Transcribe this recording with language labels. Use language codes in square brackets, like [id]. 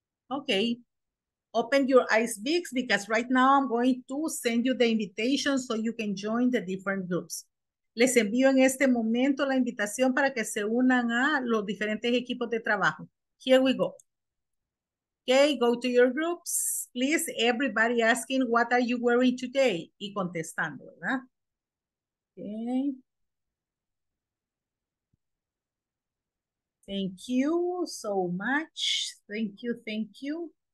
[en] Okay. Open your eyes, big, because right now I'm going to send you the invitation so you can join the different groups. [es] Les envío en este momento la invitación para que se unan a los diferentes equipos de trabajo. [en] Here we go. Okay, go to your groups. Please, everybody asking, what are you wearing today? [es] Y contestando, ¿verdad? Okay. [en] Thank you so much. Thank you, thank you.